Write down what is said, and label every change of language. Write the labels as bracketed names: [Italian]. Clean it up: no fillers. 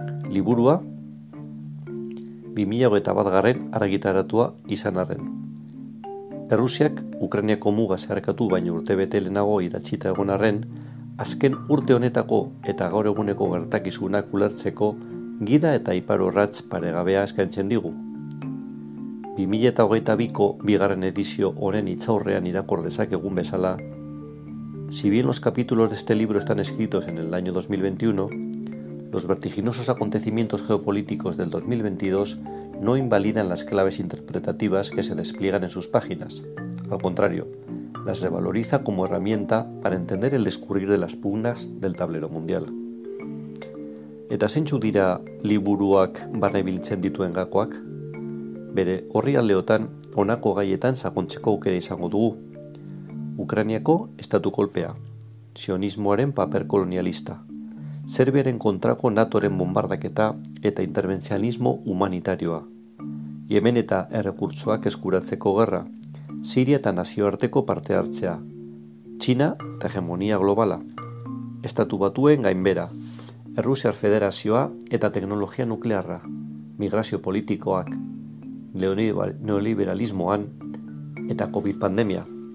[Basque] Liburua 2021 argitaratua izan arren. Errusiak Ukrainiako muga zeharkatu baino urtebete lehenago idatzita egon arren, azken urte honetako eta gaur eguneko gertakizunak ulertzeko gida eta iparorratz paregabea eskaintzen digu. 2022ko bigarren edizio honen itzaurrean irakor dezakegun bezala, [Spanish] si bien los capítulos de este libro están escritos en el año 2021, los vertiginosos acontecimientos geopolíticos del 2022 no invalidan las claves interpretativas que se despliegan en sus páginas. Al contrario, las revaloriza como herramienta para entender el discurrir de las pugnas del tablero mundial. [Basque] ¿Eta zeintzuk dira liburuak barnebiltzen dituen gakoak? Bere orrialdeotan honako gaietan sakontzeko aukera izango dugu. Ukrainiako estatu kolpea, sionismoaren paper kolonialista, Serbiaren kontrako NATOren bombardaketa eta intervenzionismo humanitarioa, Yemen eta errekurtsoak eskuratzeko gerra, Siria eta nazioarteko parte hartzea, China eta hegemonia globala, Estatu Batuen gainbera, Errusiar Federazioa eta teknologia nuklearra, migrazio politikoak, neoliberalismoan eta COVID-pandemia.